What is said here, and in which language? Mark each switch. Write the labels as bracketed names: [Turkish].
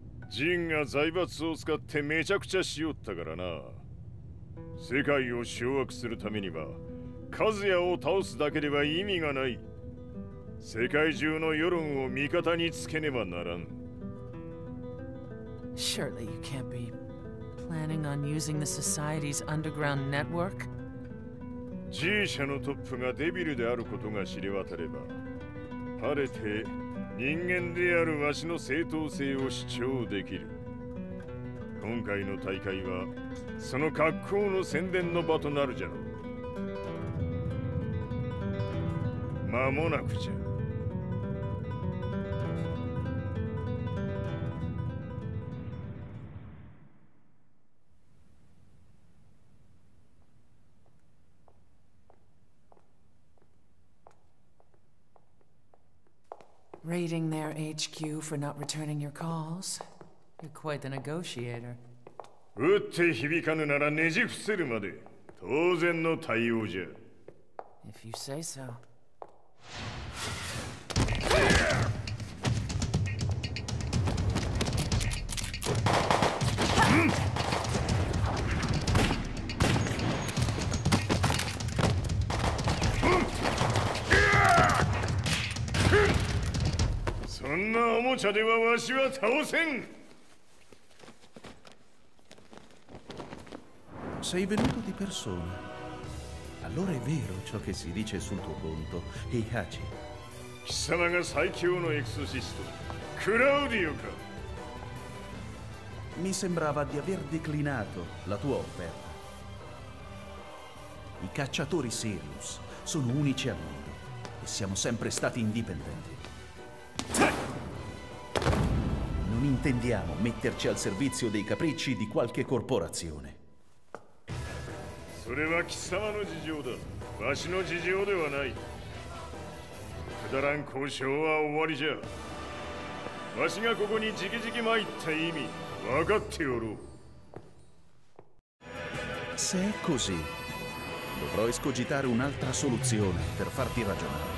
[Japanese] Jin が財閥を使ってめちゃくちゃしよったからな。世界を掌握するためには、カズヤを倒すだけでは意味がない。世界中の世論を味方につけねばならん。 [English] Surely you can't be planning on using the society's underground network? [Japanese] G 社のトップがデビルであることが知れ渡れば、晴れて人間であるわしの正当性を主張できる。今回の大会はその格好の宣伝の場となるじゃろう。間もなくじゃ。 [English] Raiding their HQ for not returning your calls. You're quite the negotiator. [Japanese] 打って響かぬならねじ伏せるまで当然の対応じゃ。 [English] If you say so. [Japanese] おもちゃではわしは倒せん。 [Italian] Sei venuto di persona. Allora è vero ciò che si dice sul tuo conto, Heihachi. [Japanese] 貴様が最強のエクソシスト、クラウディオか。 [Italian] Mi sembrava di aver declinato la tua offerta. I cacciatori Sirius sono unici al mondo e siamo sempre stati indipendenti. Non intendiamo metterci al servizio dei capricci di qualche corporazione. [Japanese] それは貴様の事情だ。わしの事情ではない。くだらん交渉は終わりじゃ。わしがここに直々参った意味、分かっておろう。 [Italian] Se è così, dovrò escogitare un'altra soluzione per farti ragionare.